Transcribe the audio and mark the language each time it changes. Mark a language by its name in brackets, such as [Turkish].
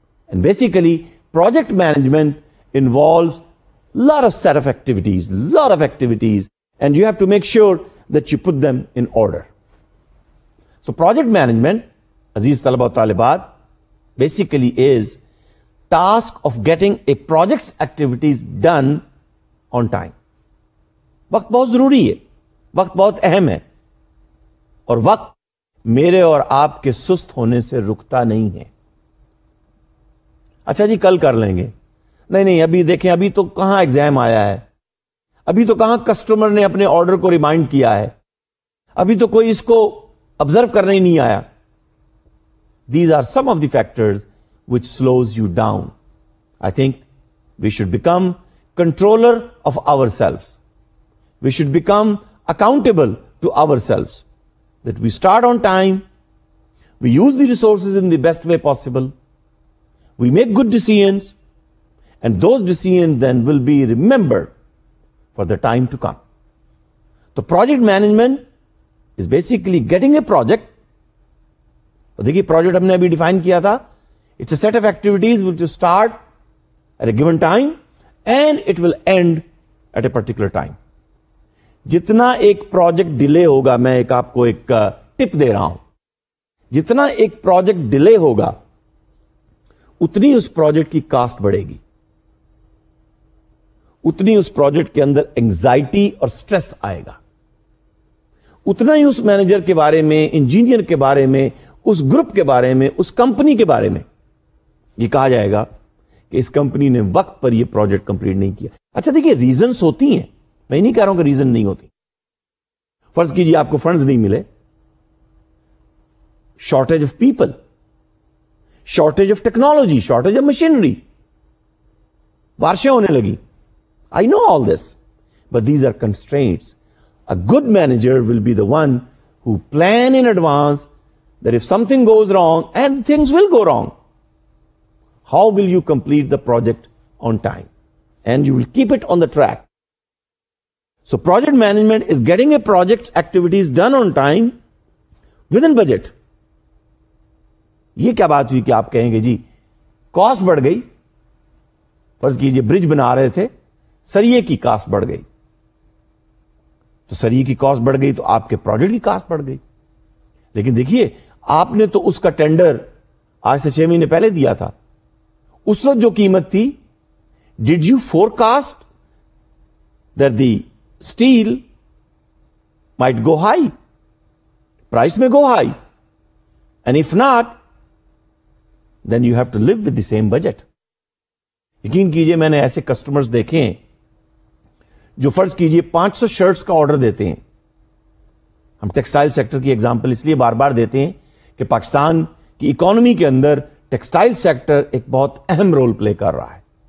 [English] And basically project management involves lot of set of activities, lot of activities, and you have to make sure that you put them in order. So project management, [Urdu] Aziz Talaba Talibat, [English] basically is task of getting a project's activities done on time. [Urdu] وقت بہت ضروری ہے, وقت بہت اہم ہے, اور وقت میرے اور آپ کے سست ہونے سے رکتا نہیں ہے. اچھا جی, کل کر لیں گے. نہیں نہیں, ابھی دیکھیں, ابھی تو کہاں ایگزام آیا ہے, ابھی تو کہاں کسٹمر نے اپنے آرڈر کو ریمائنڈ کیا ہے, ابھی تو کوئی اس کو آبزرو کرنے ہی نہیں آیا. [English] These are some of the factors which slows you down. I think we should become controller of our self, we should become accountable to our self, that we start on time, we use the resources in the best way possible, we make good decisions, and those decisions then will be remembered for the time to come. So project management is basically getting a project. [Urdu] Dekhi, project humne abhi define kiya tha, [English] it's a set of activities which will start at a given time and it will end at a particular time. [Urdu] Jitna ek project delay hoga, main ek aapko ek tip de raha hun, jitna ek project delay hoga utni us project ki cost badhegi, اتنی اس project کے اندر anxiety اور stress آئے گا, اتنا ہی اس manager کے بارے میں, engineer کے بارے میں, اس گروپ کے بارے میں, اس کمپنی کے بارے میں یہ کہا جائے گا کہ اس کمپنی نے وقت پر یہ پروجیکٹ کمپلیٹ نہیں کیا. اچھا دیکھیں, ریزنز ہوتی ہیں, میں نہیں کہہ رہا ہوں کہ ریزن نہیں ہوتی. فرض کیجئے آپ کو فنڈز نہیں ملے, [English] shortage of people, shortage of technology, shortage of machinery, [Urdu] بارشیں ہونے لگی. [English] I know all this, but these are constraints. A good manager will be the one who plan in advance that if something goes wrong, and things will go wrong, how will you complete the project on time? And you will keep it on the track. So project management is getting a project activities done on time within budget. [Urdu] یہ کیا بات ہوئی کہ آپ کہیں گے جی cost بڑھ گئی, فرض کیجئے برج بنا رہے تھے, سریے کی کاسٹ بڑھ گئی, تو سریے کی کاسٹ بڑھ گئی تو آپ کے پروجیکٹ کی کاسٹ بڑھ گئی. لیکن دیکھیے, آپ نے تو اس کا ٹینڈر آج سے 6 مہینے پہلے دیا تھا, اس وقت جو قیمت تھی [English] Did you forecast that the steel might go high? Price may go high. And if not, then you have to live with the same budget. [Urdu] یقین کیجئے میں نے ایسے کسٹمرز دیکھے ہیں جو فرض کیجئے 500 شرٹس کا آرڈر دیتے ہیں. ہم ٹیکسٹائل سیکٹر کی ایگزامپل اس لیے بار بار دیتے ہیں کہ پاکستان کی اکانومی کے اندر ٹیکسٹائل سیکٹر ایک بہت اہم رول پلے کر رہا ہے.